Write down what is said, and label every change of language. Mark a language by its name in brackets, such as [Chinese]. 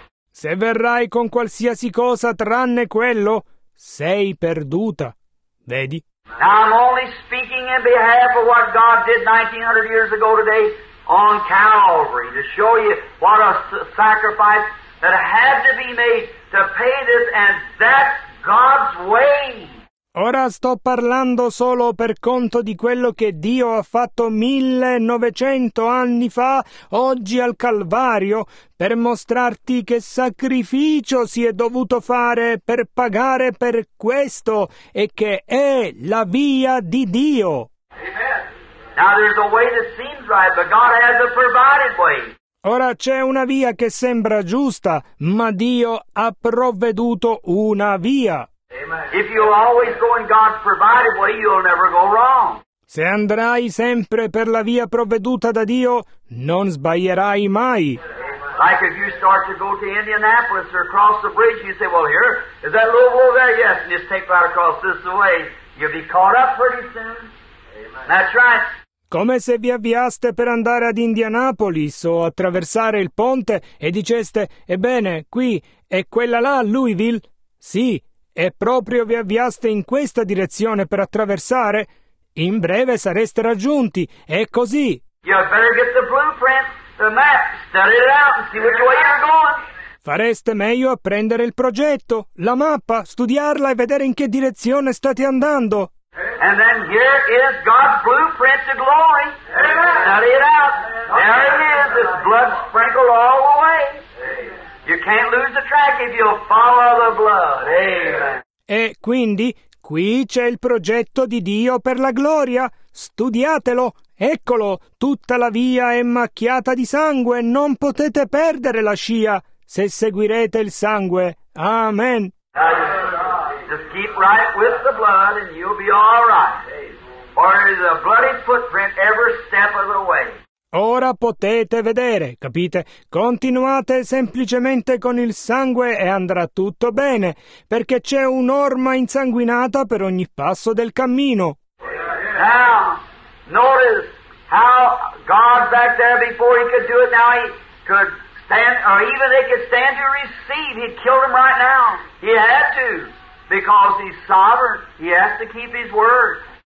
[Italian] Se verrai con qualsiasi cosa tranne quello, sei perduta. Vedi? [English] Now I'm only speaking in behalf of what God did 1900 years ago today on Calvary to show you what a sacrifice that had to be made to pay this, and that's God's way. [Italian] Ora sto parlando solo per conto di quello che Dio ha fatto 1900 anni fa, oggi al Calvario, per mostrarti che sacrificio si è dovuto fare per pagare per questo e che è la via di Dio. [English] Amen. Now there's a way that seems right, but God has a provided way. [Italian] Ora c'è una via che sembra giusta, ma Dio ha provveduto una via. [English] If you always go in God's provided way, you'll never go wrong. [Italian] Se andrai sempre per la via provveduta da Dio, non sbaglierai mai. [English] Like if you start to go to Indianapolis or across the bridge, you say, well, here, is that Louisville there? Yes, and just take right across this way. You'll be caught up pretty soon. Amen. That's right. [Italian] Come se vi avviaste per andare ad Indianapolis o attraversare il ponte e diceste, ebbene, qui è quella là, Louisville? Sì. E proprio vi avviaste in questa direzione per attraversare, in breve sareste raggiunti. È così. [English] You better get the blueprint, the map, study it out and see which way you're going. [Italian] Fareste meglio a prendere il progetto, la mappa, studiarla e vedere in che direzione state andando. [English] And then here is God's blueprint to glory. Study it out. There it is, this blood sprinkled all the way. You can't lose the track if you'll follow the blood. Amen. [Italian] E quindi, qui c'è il progetto di Dio per la gloria. Studiatelo. Eccolo, tutta la via è macchiata di sangue. Non potete perdere la scia se seguirete il sangue. Amen. [English] Just keep right with the blood and you'll be all right. Or is a bloody footprint every step of the way. [Italian] Ora potete vedere, capite? Continuate semplicemente con il sangue e andrà tutto bene, perché c'è un'orma insanguinata per ogni passo del cammino. [English] Now, notice how God back there before he could do it, now he could stand, or even they could stand to receive, he'd kill them right now. He had to, because he's sovereign, he has to keep his word.